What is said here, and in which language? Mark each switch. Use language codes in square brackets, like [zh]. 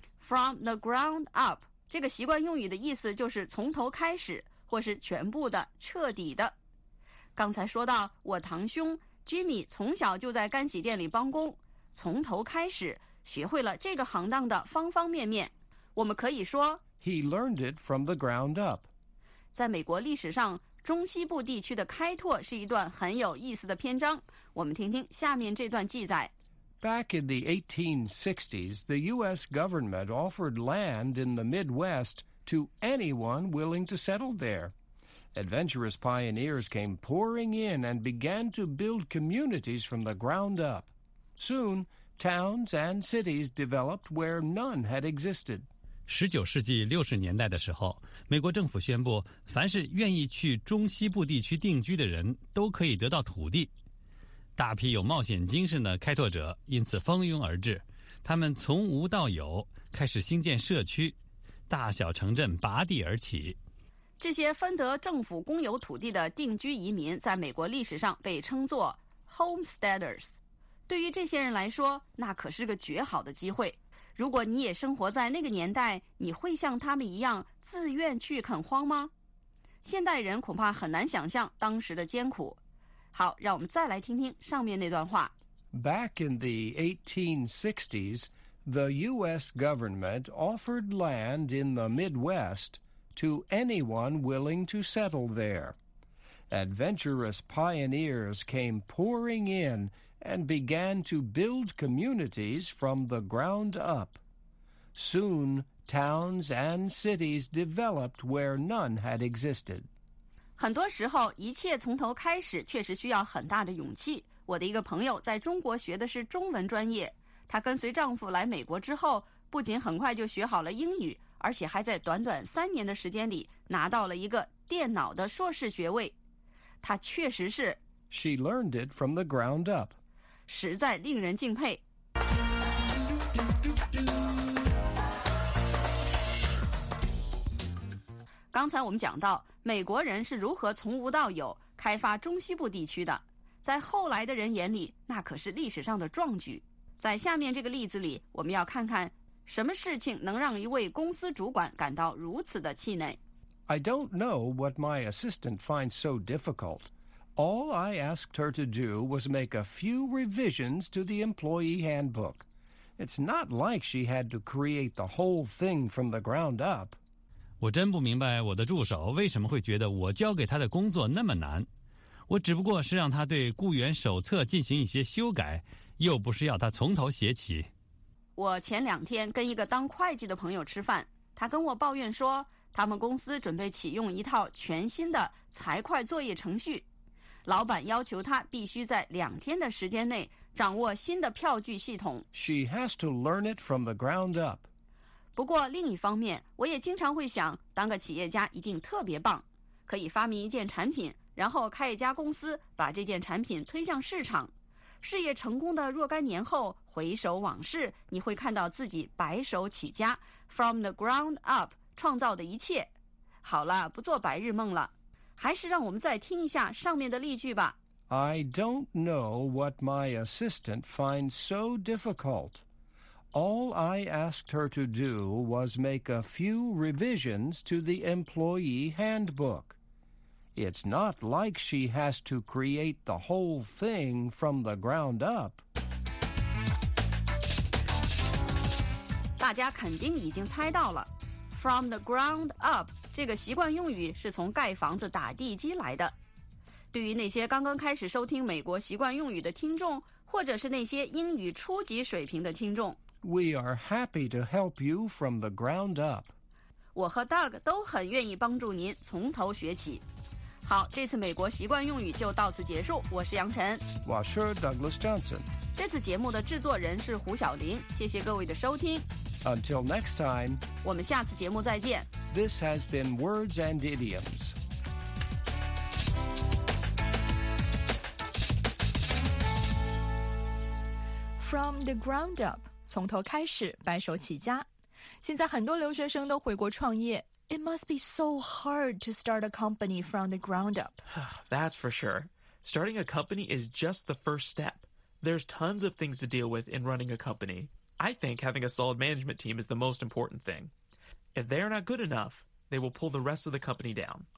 [en] From the ground up， [zh] 这个习惯用语的意思就是从头开始，或是全部的、彻底的。刚才说到我堂兄 Jimmy 从小就在干洗店里帮工，从头开始学会了这个行当的方方面面。我们可以说 [en] He learned it from the ground up。 [zh] 在美国历史上，中西部地区的开拓是一段很有意思的篇章，我们听听下面这段记载。 [en] Back in the 1860s, the U.S. government offered land in the Midwest to anyone willing to settle there. Adventurous pioneers came pouring in and began to build communities from the ground up. Soon, towns and cities developed where none had existed. [zh] 19世纪60年代的时候，美国政府宣布，凡是愿意去中西部地区定居的人都可以得到土地。大批有冒险精神的开拓者因此蜂拥而至，他们从无到有，开始兴建社区，大小城镇拔地而起。这些分得政府公有土地的定居移民在美国历史上被称作 homesteaders。对于这些人来说，那可是个绝好的机会。如果你也生活在那个年代，你会像他们一样自愿去垦荒吗？现代人恐怕很难想象当时的艰苦。好，让我们再来听听上面那段话。 [en] Back in the 1860s, the U.S. government offered land in the Midwest to anyone willing to settle there. Adventurous pioneers came pouring in and began to build communities from the ground up. Soon, towns and cities developed where none had existed. [zh] 很多时候一切从头开始确实需要很大的勇气。我的一个朋友在中国学的是中文专业，她跟随丈夫来美国之后，不仅很快就学好了英语，而且还在短短三年的时间里拿到了一个电脑的硕士学位。她确实是 [en] She learned it from the ground up， [zh] 实在令人敬佩。刚才我们讲到美国人是如何从无到有开发中西部地区的，在后来的人眼里，那可是历史上的壮举。在下面这个例子里，我们要看看什么事情能让一位公司主管感到如此的气馁。 [en] I don't know what my assistant finds so difficult. All I asked her to do was make a few revisions to the employee handbook. It's not like she had to create the whole thing from the ground up. [zh] 我真不明白我的助手为什么会觉得我交给他的工作那么难。我只不过是让他对雇员手册进行一些修改，又不是要他从头写起。我前两天跟一个当会计的朋友吃饭，他跟我抱怨说，他们公司准备启用一套全新的财会作业程序，老板要求他必须在2天的时间内掌握新的票据系统。 [en] She has to learn it from the ground up. [zh] 不过另一方面，我也经常会想，当个企业家一定特别棒，可以发明一件产品，然后开一家公司，把这件产品推向市场。事业成功的若干年后，回首往事，你会看到自己白手起家 ， [en] from the ground up [zh] 创造的一切。好了，不做白日梦了，还是让我们再听一下上面的例句吧。 [en] I don't know what my assistant finds so difficult. All I asked her to do was make a few revisions to the employee handbook. It's not like she has to create the whole thing from the ground up. [zh] 大家肯定已经猜到了 , [en] from the ground up [zh] 这个习惯用语是从盖房子打地基来的。对于那些刚刚开始收听美国习惯用语的听众，或者是那些英语初级水平的听众 [en] ，We are happy to help you from the ground up. [zh] 我和 Doug 都很愿意帮助您从头学起。好，这次美国习惯用语就到此结束。我是杨晨，我是 Douglas Johnson。这次节目的制作人是胡晓玲，谢谢各位的收听。 [en] Until next time， [zh] 我们下次节目再见。 [en] This has been Words and Idioms。 From the ground up, [zh] 从头开始，白手起家。现在很多留学生都回国创业。 [en] It must be so hard to start a company from the ground up. That's for sure. Starting a company is just the first step. There's tons of things to deal with in running a company. I think having a solid management team is the most important thing. If they're not good enough, they will pull the rest of the company down.